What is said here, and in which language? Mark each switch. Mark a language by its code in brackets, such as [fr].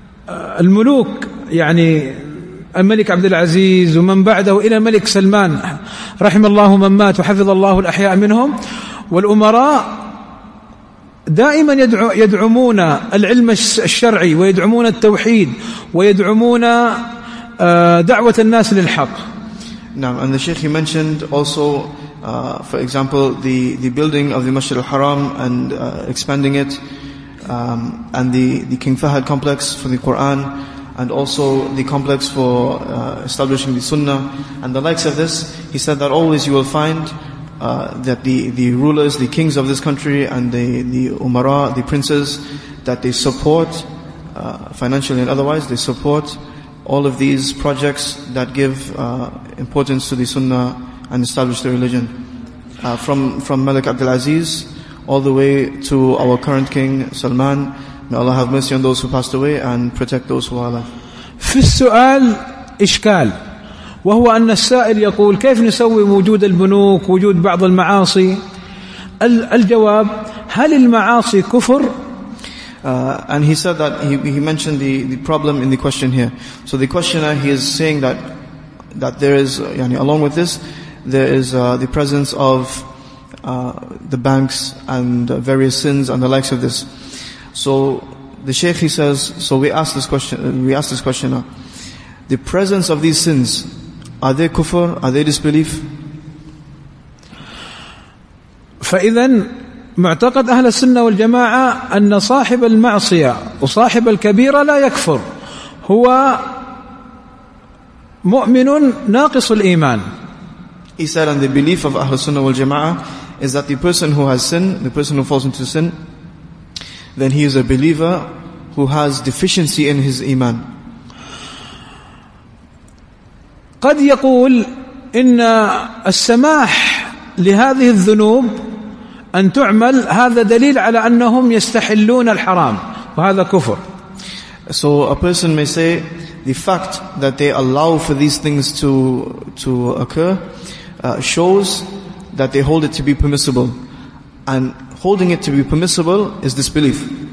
[ar] الملوك يعني الملك عبد العزيز ومن بعده إلى الملك سلمان رحم الله من مات وحفظ الله الأحياء منهم، والأمراء دائما يدعمون العلم الشرعي ويدعمون التوحيد ويدعمون دعوة الناس للحق. نعم. [en] And the Sheikh, he mentioned also for example the building of the Masjid al-Haram and expanding it, and the King Fahad complex for the Quran, and also the complex for establishing the Sunnah and the likes of this. He said that always you will find that the rulers, the kings of this country, and the umara, the princes, that they support financially and otherwise, they support all of these projects that give importance to the Sunnah and establish the religion, from Malik Abdul Aziz all the way to our current king Salman. May Allah have mercy on those who passed away and protect those who are alive. [ar] في السؤال إشكال، وهو أن السائل يقول كيف نسوي وجود البنوك وجود بعض المعاصي. الجواب، هل المعاصي كفر؟ [en] And he said that he mentioned the problem in the question here. So the questioner, he is saying that there is يعني, along with this there is the presence of the banks and various sins and the likes of this. So the Sheikh, he says, so we ask this questioner, the presence of these sins, are they kufr, are they disbelief? [ar] فإذا معتقد أهل السنة والجماعة أن صاحب المعصية وصاحب الكبيرة لا يكفر، هو مؤمن ناقص الإيمان. [en] He said, and the belief of Ahl Sunnah wal Jama'ah is that the person who has sin, the person who falls into sin, then he is a believer who has deficiency in his iman. [ar] قد يقول إن السماح لهذه الذنوب أن تعمل هذا دليل على أنهم يستحلون الحرام وهذا كفر. [en] So a person may say the fact that they allow for these things to occur shows that they hold it to be permissible, and holding it to be permissible is disbelief.